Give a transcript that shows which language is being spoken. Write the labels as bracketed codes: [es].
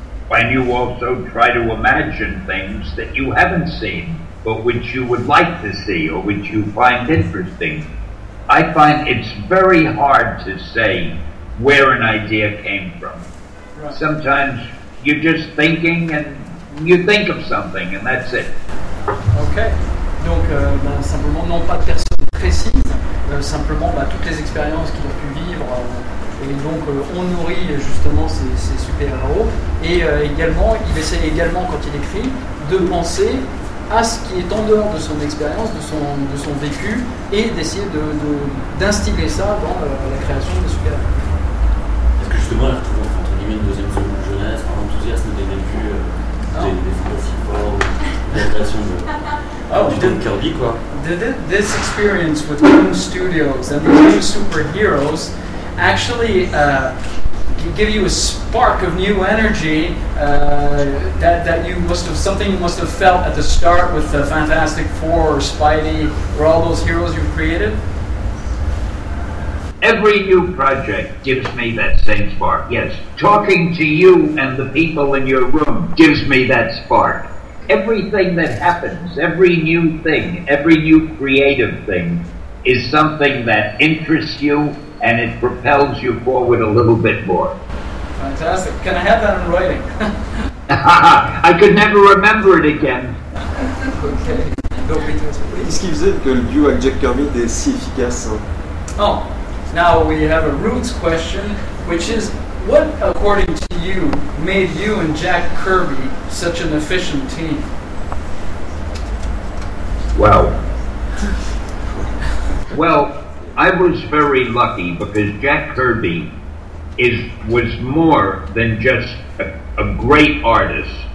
[en] And you also try to imagine things that you haven't seen, but which you would like to see, or which you find interesting. I find it's very hard to say where an idea came from. Right. Sometimes you're just thinking and you think of something and that's it. Okay. [fr] Donc, simplement, non pas de personne précise, simplement toutes les expériences qu'il a pu vivre. Et donc, on nourrit justement ces super-héros. Et également, il essaie également, quand il écrit, de penser à ce qui est en dehors de son expérience, de son vécu, et d'essayer d'instiller ça dans la création des super-héros. Justement, elle retrouve entre guillemets une deuxième zone de jeunesse, par enthousiasme des vécus, des fantasies fortes, l'adaptation de. Ah, du Dan Kirby quoi. [en] This experience with Boom Studios and these new superheroes actually give you a spark of new energy that you must have, something you must have felt at the start with the Fantastic Four or Spidey or all those heroes you've created? Every new project gives me that same spark, yes. Talking to you and the people in your room gives me that spark. Everything that happens, every new thing, every new creative thing is something that interests you and it propels you forward a little bit more. Fantastic. Can I have that in writing? I could never remember it again. Okay. [fr] Qu'est-ce qui faisait que le duo avec Jack Kirby était si efficace, hein? [en] Oh, now we have a roots question, which is, what, according to you, made you and Jack Kirby such an efficient team? Well, well, I was very lucky because Jack Kirby was more than just a great artist.